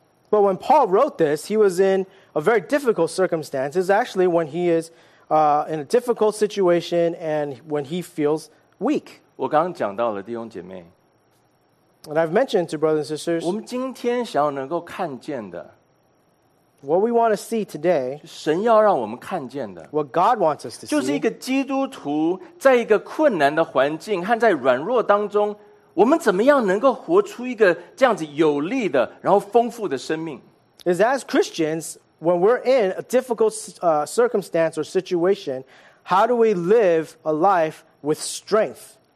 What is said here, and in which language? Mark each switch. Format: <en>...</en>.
<en>But when Paul wrote this, he was in a very difficult circumstance. It's actually when he is in a difficult situation and when he feels weak.</en> <zh>我刚刚讲到了弟兄姐妹,</zh> <en>and I've mentioned to brothers and sisters,</en> <zh>我们今天想要能够看见的,</zh> <en>what we want to see today,</en> <zh>神要让我们看见的,</zh> <en>what God wants us to see,</en> <zh>就是一个基督徒在一个困难的环境和在软弱当中, 我们怎么样能够活出一个这样子有力的然后丰富的生命,</zh> <en>is as Christians, when we're in a difficult circumstance or situation, how do we live a life with strength?</en>